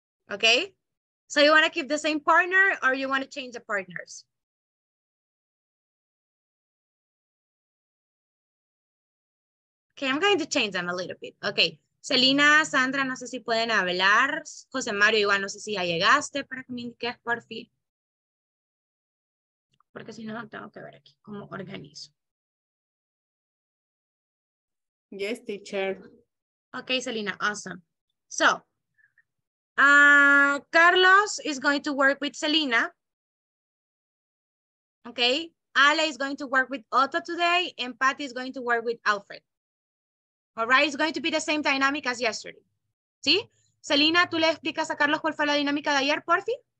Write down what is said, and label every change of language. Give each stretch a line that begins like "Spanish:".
English: Okay? So you want to keep the same partner or you want to change the partners? Okay, I'm going to change them a little bit. Okay,
Spanish: Selena, Sandra, no sé si pueden hablar. José Mario, igual no sé si ya llegaste para que me indiques por fin. Porque si no, no tengo que ver aquí cómo organizo.
English: Yes, teacher. Okay, Selena, awesome. So, Carlos is going to work with Selena. Okay, Ale is going to work with Otto today, and Patty is going to work with Alfred. All right, it's going to be the same dynamic as yesterday.
Spanish: ¿Sí? Selena, ¿tú le explicas a Carlos cuál fue la dinámica de ayer, por fin?